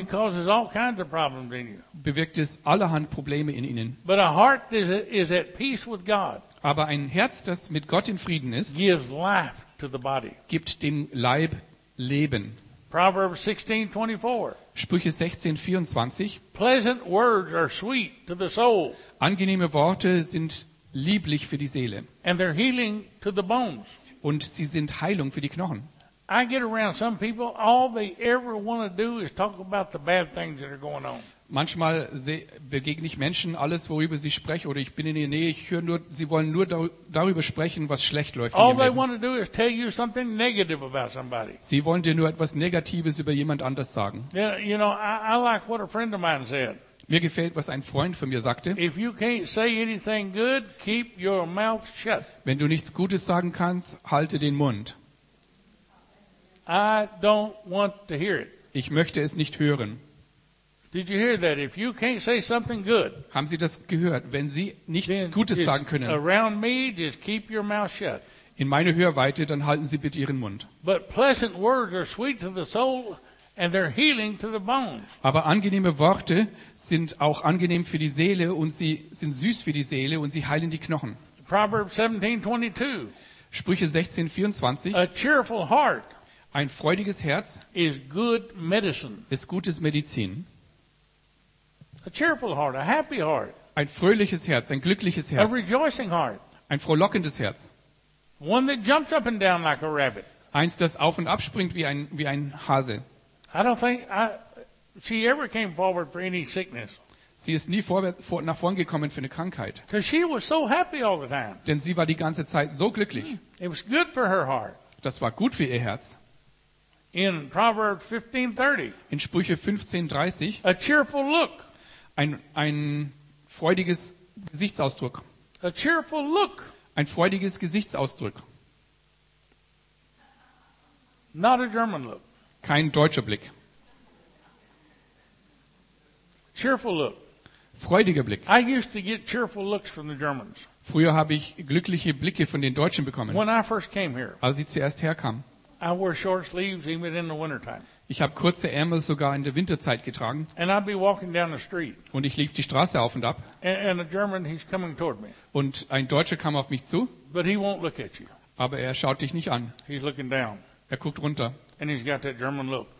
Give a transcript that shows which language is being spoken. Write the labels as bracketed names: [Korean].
[English] it causes all kinds of problems in you. [German] Bewirkt es allerhand Probleme in Ihnen. [English] But a heart that is at peace with God, [German] aber ein Herz, das mit Gott in Frieden ist, [English] gives life to the body. [German] Gibt dem Leib Leben. [English] Proverbs 16:24. [German] Sprüche 16:24. [English] Pleasant words are sweet to the soul. [German] Angenehme Worte sind lieblich für die Seele. [English] And they're healing to the bones. [German] Und sie sind Heilung für die Knochen. [English] I get around some people, all they ever want to do is talk about the bad things that are going on. [German] Manchmal begegne ich Menschen, alles, worüber sie sprechen, oder ich bin in der Nähe, ich höre nur, sie wollen nur darüber sprechen, was schlecht läuft. [English] All they want to do is tell you something negative about somebody. [German] Sie wollen dir nur etwas Negatives über jemand anders sagen. [English] You know, I like what a friend of mine said. [German] Mir gefällt, was ein Freund von mir sagte. [English] If you can't say anything good, keep your mouth shut. [German] Wenn du nichts Gutes sagen kannst, halte den Mund. [English] I don't want to hear it. [German] Ich möchte es nicht hören. [English] Did you hear that? If you can't say something good, [German] haben Sie das gehört? Wenn Sie nichts Gutes sagen können, [English] around me, just keep your mouth shut. [German] In meine Hörweite, dann halten Sie bitte Ihren Mund. [English] But pleasant words are sweet to the soul, and they're healing to the bones. [German] Aber angenehme Worte sind auch angenehm für die Seele und sie sind süß für die Seele und sie heilen die Knochen. [English] Proverbs 17:22. [German] Sprüche 16:24. [English] A cheerful heart, [German] ein freudiges Herz, [English] is good medicine. [German] Ist gutes Medizin. [English] A cheerful heart, a happy heart. [German] Ein fröhliches Herz, ein glückliches Herz. [English] A rejoicing heart. [German] Ein frohlockendes Herz. [English] One that jumps up and down like a rabbit. [German] Eins, das auf und abspringt wie ein Hase. [English] I don't think she ever came forward for any sickness. [German] Sie ist nie nach vorn gekommen für eine Krankheit. [English] Because she was so happy all the time. [German] Denn sie war die ganze Zeit so glücklich. [English] It was good for her heart. [German] Das war gut für ihr Herz. [English] In Proverbs 15:30. [German] In Sprüche 15:30. [English] A cheerful look. [German] Ein freudiges Gesichtsausdruck. [English] A cheerful look. [German] Ein freudiges Gesichtsausdruck. [English] Not a German look. [German] Kein deutscher Blick. [English] Cheerful look. [German] Freudiger Blick. [English] I used to get cheerful looks from the Germans. [German] Früher habe ich glückliche Blicke von den Deutschen bekommen. [English] When I first came here. [German] Als ich zuerst herkam. [English] I wore short sleeves even in the wintertime. [German] Ich habe kurze Ärmel sogar in der Winterzeit getragen. [English] And I'd be walking down the street. [German] Und ich lief die Straße auf und ab. [English] And a German, he's coming toward me. [German] Und ein Deutscher kam auf mich zu. [English] But he won't look at you. [German] Aber er schaut dich nicht an. [English] He's looking down. [German] Er guckt runter. [English] And he's got that German look.